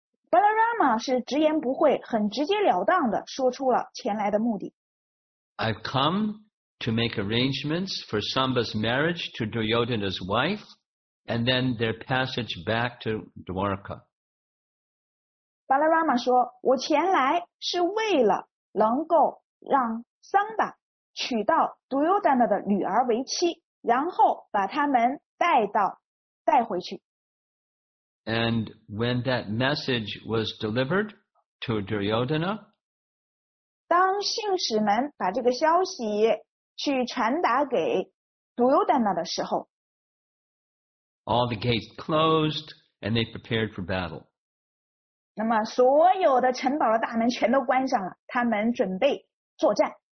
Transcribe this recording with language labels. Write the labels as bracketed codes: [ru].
[zh] Balarama 是直言不讳，很直截了当地说出了前来的目的。 [en] I've come to make arrangements for Samba's marriage to Duryodhana's wife and then their passage back to Dwarka. [zh] 巴拉拉玛说，我前来是为了能够让桑巴娶到杜尤丹娜的女儿为妻，然后把他们带回去。 [en] And when that message was delivered to Duryodhana, [zh] 当信使们把这个消息去传达给杜尤丹娜的时候， [en] All the gates closed and they prepared for battle. [zh] 那么所有的城堡的大门全都关上了，他们准备作战。